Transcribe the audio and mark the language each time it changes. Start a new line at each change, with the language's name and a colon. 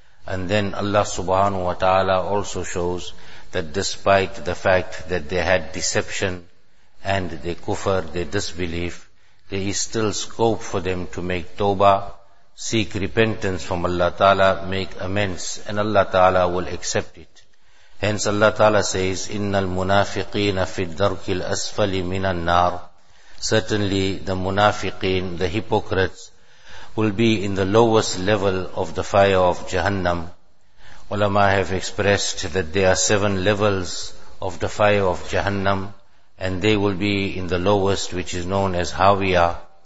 English: And then Allah subhanahu wa ta'ala also shows that despite the fact that they had deception and their kufr, their disbelief, there is still scope for them to make tawbah, seek repentance from Allah ta'ala, make amends, and Allah ta'ala will accept it. Hence Allah ta'ala says,
Arabic: إِنَّ الْمُنَافِقِينَ فِي الدَّرْكِ الْأَسْفَلِ مِنَ النَّارِ.
English: Certainly the munafiqeen, the hypocrites, will be in the lowest level of the fire of Jahannam. Ulama have expressed that there are 7 levels of the fire of Jahannam, and they will be in the lowest, which is known as Hawiya.